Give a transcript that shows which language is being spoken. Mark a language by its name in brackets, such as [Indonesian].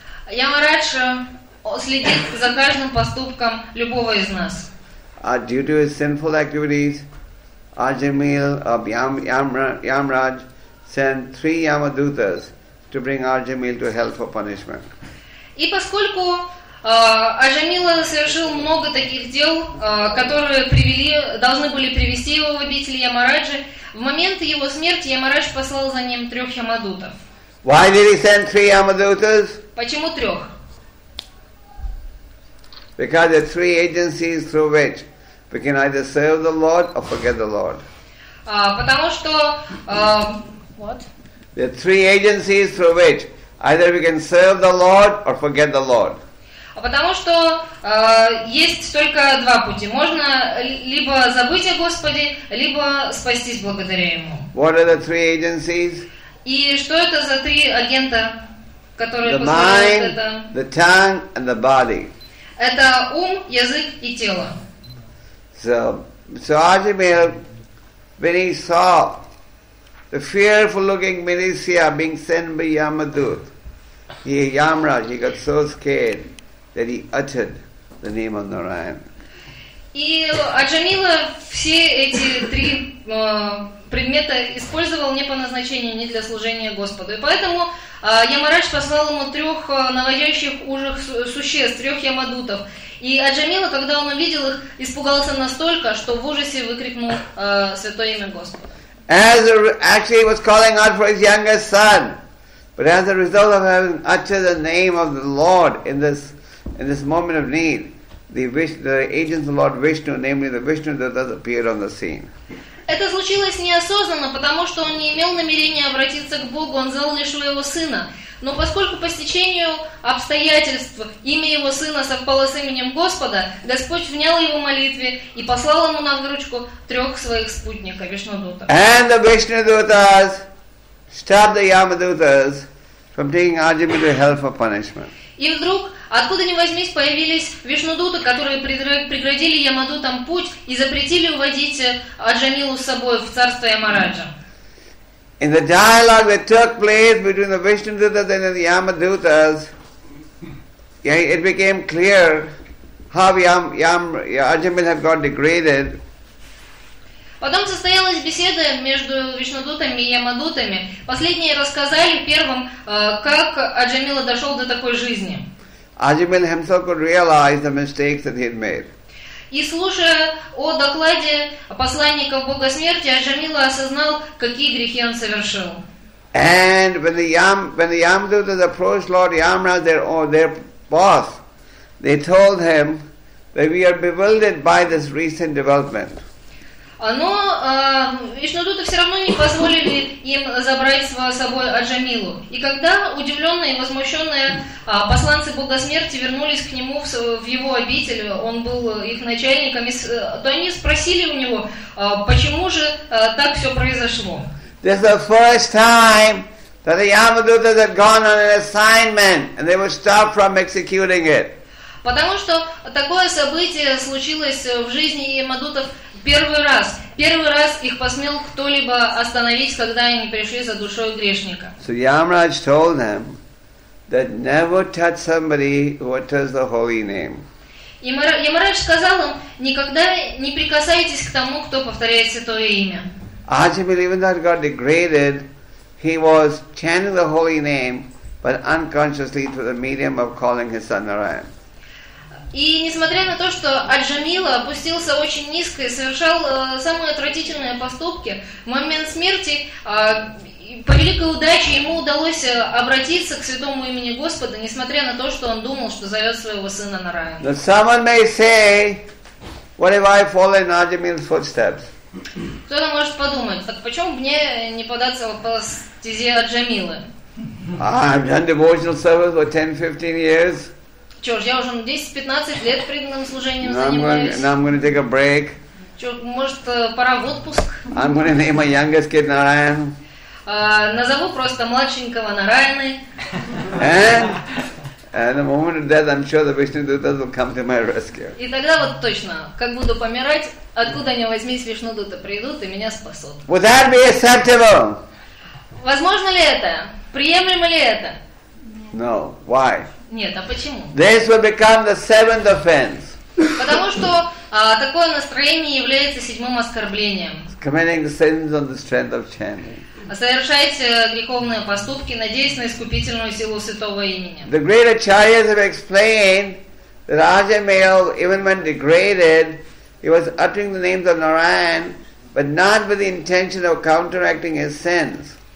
[Russian] Yamraj следит за каждым поступком любого из нас. [English] Due to his sinful activities, Ajamil of Yamraj sent 3 Yamadutas to bring Ajamil to hell for punishment. [Russian] И поскольку Аджамила совершил много таких дел, которые должны были привести его в обитель Ямараджи. В момент его смерти Ямарадж послал за ним 3 ямадутов. [English] Why did he send 3 ямадутов? [Russian] Почему 3? [English] Because there are 3 agencies through which we can either serve the Lord or forget the Lord. [Russian] Потому что [English] what? There are 3 agencies through which either we can serve the Lord or forget the Lord. [Russian] Потому что есть только 2 пути. Можно либо забыть о Господе, либо спастись благодаря Ему. [English] What are the 3 agencies? [Russian] И что это за 3 агента, которые [English] the [Russian] позволяют это? [English] The tongue and the body. [Russian] Это ум, язык и тело. [English] So Ajamil, when he saw the fearful looking militia being sent by Yamadut, Yamraj, he got so scared that he uttered the name of Narayan. [Russian] И Аджамила все эти 3 предмета использовал не по назначению, не для служения Господу. И поэтому Ямарадж послал ему 3 наводящих ужас существ, 3 ямадутов. И Аджамила, когда он увидел их, испугался настолько, что в ужасе выкрикнул святое имя Господа. [English] Actually, he was calling out for his youngest son. But as a result of having uttered the name of the Lord in this moment of need, the agents of Lord Vishnu, namely the Vishnu Dutas, appeared on the scene. [Russian] Это случилось неосознанно, потому что он не имел намерения обратиться к Богу, он звал лишь своего сына. Но поскольку по стечению обстоятельств имя его сына совпало с именем Господа, Господь внял его молитве и послал ему на выручку 3 своих спутника, Вишну Дутов. [English] And the Vishnu Dutas stopped the Yamadutas from taking Ajami to hell for punishment. [Russian] И вдруг, откуда ни возьмись, появились вишнудуты, которые преградили Ямадутам путь и запретили уводить Аджамилу с собой в царство Ямараджа. [English] In the dialogue that took place between the Vishnudutas and the Yamadutas, it became clear how Аджамил had got degraded. [Russian] Потом состоялась беседа между Вишнудутами и Ямадутами. Последние рассказали первым, как Аджамила дошел до такой жизни. [English] Ajamil himself could realize the mistakes that he had made. [Russian] И слушая о докладе посланников Бога Смерти, Аджамила осознал, какие грехи он совершил. [English] And when the Yamadutas approached Lord Yamraj, their boss, they told him that we are bewildered by this recent development. [Russian] Но Вишнудуты все равно не позволили им забрать с собой Аджамилу. И когда удивленные и возмущенные посланцы Бога Смерти вернулись к нему в его обитель, он был их начальником, то они спросили у него, почему же так все произошло. [English] This is the first time that the Yamadutas had gone on an assignment and they were stopped from executing it. [Russian] Потому что такое событие случилось в жизни Ямадутов первый раз их посмел кто-либо остановить, когда они пришли за душой грешника. [English] So Yamraj told them that never touch somebody who utters the holy name. [Russian] И Махарадж сказал им, никогда не прикасайтесь к тому, кто повторяет святое имя. [English] Ajamil, even though he got degraded, he was chanting the holy name, but unconsciously through the medium of calling his son Narayan. [Russian] И несмотря на то, что Аджамила опустился очень низко и совершал самые отвратительные поступки, в момент смерти, по великой удаче, ему удалось обратиться к святому имени Господа, несмотря на то, что он думал, что зовет своего сына на рай. [English] Now someone may say, what if I fall in Ajamil's footsteps? [Russian] Кто-то может подумать, так почему мне не податься по стезе Аджамилы? [English] I've done devotional service for 10-15 years. [Russian] Чего ж, я уже 10-15 лет преданным служением занимаюсь. [English] Now I'm going to take a break. [Russian] Чего, может, пора в отпуск? [English] I'm going to name my youngest kid Narayan. [Russian] Назову просто младшенького Нараяны. [English] And the moment of death, I'm sure the Vishnu Dutas will come to my rescue. [Russian] И тогда вот точно, как буду помирать, откуда ни возьмись, Вишну Дута придут и меня спасут. [English] Would that be acceptable? [Russian] Возможно ли это? Приемлемо ли это? [English] No. Why? [Russian] Нет, а почему? [English] This will become the seventh offense. [Russian] Потому что такое настроение является седьмым оскорблением. [English] Committing the sins on the strength of chanting. [Russian] Совершайте греховные поступки, надеясь на искупительную силу святого имени. [English] The great acharyas have explained that Ajamil, even when degraded, he was uttering the names of Narayan, but not with the intention of counteracting his sins.